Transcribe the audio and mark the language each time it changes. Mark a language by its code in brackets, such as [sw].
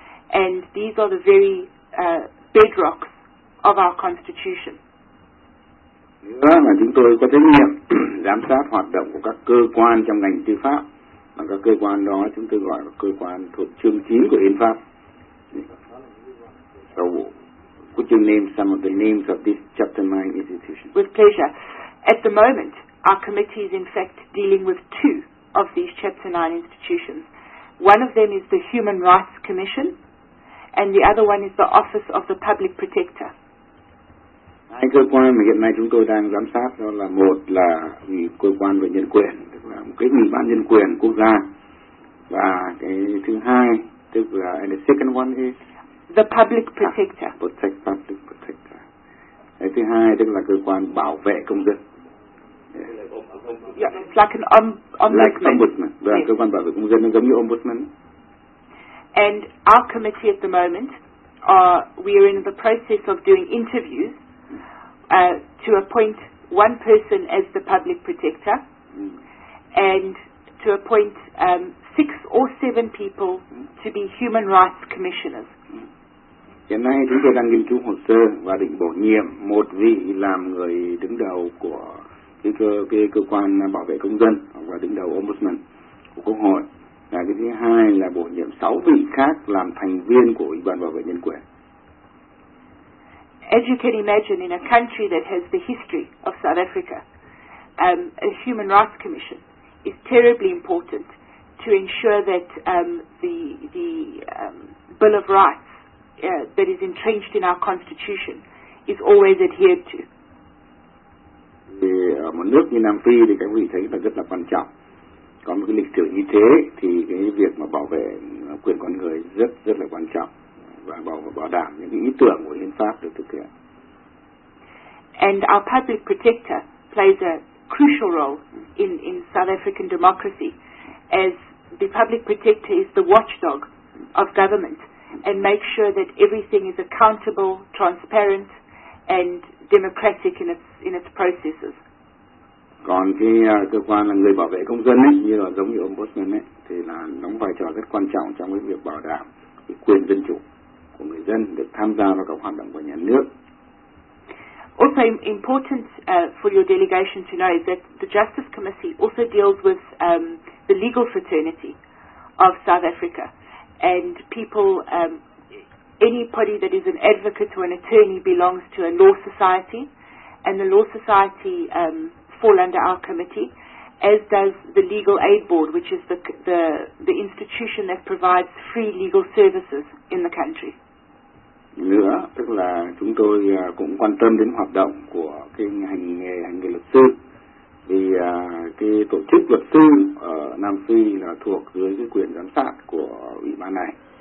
[en] And these are the very bedrocks of our constitution. [vi] Nữa là chúng tôi có trách nhiệm giám sát hoạt động của các cơ quan trong ngành tư pháp, mà các cơ quan đó chúng tôi gọi là cơ quan thuộc chương 9 của hiến pháp. [en] So, could you name some of the names of this Chapter 9 institution? With pleasure. At the moment, our committee is in fact dealing with two of these Chapter 9 institutions. One of them is the Human Rights Commission, and the other one is the Office of the Public Protector. [vi] Hai cơ quan mà hiện nay chúng tôi đang giám sát đó là một là cơ quan về nhân quyền, tức là một cái ủy ban nhân quyền quốc gia, và cái thứ hai tức là [en] and the second one is the public protector. Public protector. [vi] Cái thứ hai tức là cơ quan bảo vệ công dân. [en] Yeah, like an ombudsman. Yeah. [vi] Cơ quan bảo vệ công dân nó giống như ombudsman. [en] And our committee at the moment, we are in the process of doing interviews. To appoint one person as the public protector and to appoint six or seven people to be human rights commissioners. [vi] Hiện nay chúng tôi đang nghiên cứu hồ sơ và định bổ nhiệm một vị làm người đứng đầu của cái cơ quan bảo vệ công dân và đứng đầu ombudsman của quốc hội. Và cái thứ hai là bổ nhiệm sáu vị khác làm thành viên của ủy ban bảo vệ nhân quyền. [en] As you can imagine, in a country that has the history of South Africa, a human rights commission is terribly important to ensure that the Bill of Rights that is entrenched in our constitution is always adhered to. [vi] Thì một nước như Nam Phi thì các vị thấy là rất là quan trọng. Có một cái lịch sử như thế thì cái việc mà bảo vệ quyền con người rất rất là quan trọng và bảo đảm những cái ý tưởng của hiến pháp được thực hiện. [en] And our public protector plays a crucial role in South African democracy, as the public protector is the watchdog of government and makes sure that everything is accountable, transparent, and democratic in its processes. [vi] Còn cái cơ quan là người bảo vệ công dân ấy, như là giống như ông Bosman ấy, thì là đóng vai trò rất quan trọng trong cái việc bảo đảm cái quyền dân chủ của người dân được tham gia vào các hoạt động của nhà nước. [en] Also important for your delegation to know is that the Justice Committee also deals with the legal fraternity of South Africa, and people, anybody that is an advocate or an attorney belongs to a law society, and the law society fall under our committee, as does the Legal Aid Board, which is the institution that provides free legal services in the country. [vi] Nữa, tức là chúng tôi cũng quan tâm đến hoạt động của cái hành nghề luật sư, vì cái tổ chức luật sư ở Nam Phi là thuộc dưới cái quyền giám sát của ủy ban này.